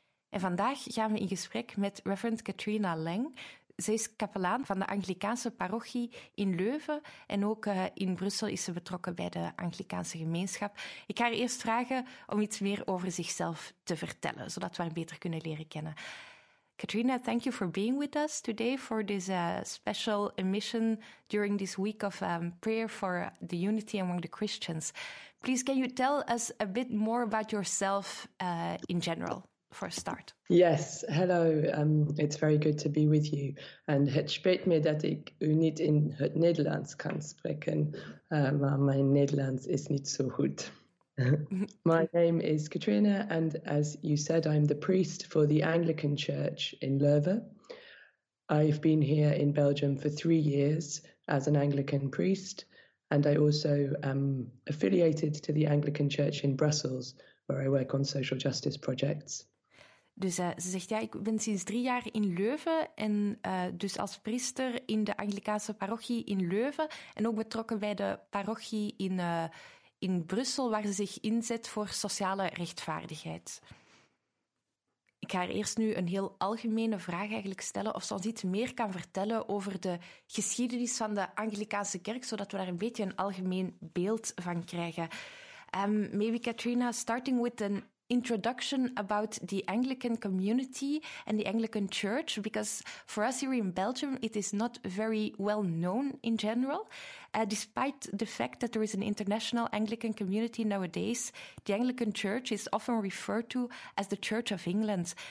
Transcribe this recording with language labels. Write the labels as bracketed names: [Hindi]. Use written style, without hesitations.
[Dutch] En vandaag gaan we in gesprek met Reverend Katrina Lang. Zij is kapelaan van de Anglicaanse parochie in Leuven en ook in Brussel is ze betrokken bij de Anglicaanse gemeenschap. Ik ga haar eerst vragen om iets meer over zichzelf te vertellen, zodat we haar beter kunnen leren kennen. [English] Katrina, thank you for being with us today for this special emission during this week of prayer for the unity among the Christians. Please, can you tell us a bit more about yourself in general? For a start. Yes, hello. It's very good to be with you. [Dutch] And het spijt me dat ik u niet in het Nederlands kan spreken, maar mijn Nederlands is niet zo goed. [English] My name is Katrina, and as you said, I'm the priest for the Anglican Church in Leuven. I've been here in Belgium for 3 years as an Anglican priest, and I also am affiliated to the Anglican Church in Brussels, where I work on social justice projects. [Dutch] Dus ze zegt, ja, ik ben sinds 3 jaar in Leuven en dus als priester in de Anglicaanse parochie in Leuven en ook betrokken bij de parochie in Brussel, waar ze zich inzet voor sociale rechtvaardigheid. Ik ga haar eerst nu een heel algemene vraag eigenlijk stellen of ze ons iets meer kan vertellen over de geschiedenis van de Anglicaanse kerk, zodat we daar een beetje een algemeen beeld van krijgen. [English] Maybe Katrina, starting with an introduction about the Anglican community and the Anglican Church, because for us here in Belgium, it is not very well known in general. Despite the fact that there is an international Anglican community nowadays, the Anglican Church is often referred to as the Church of England.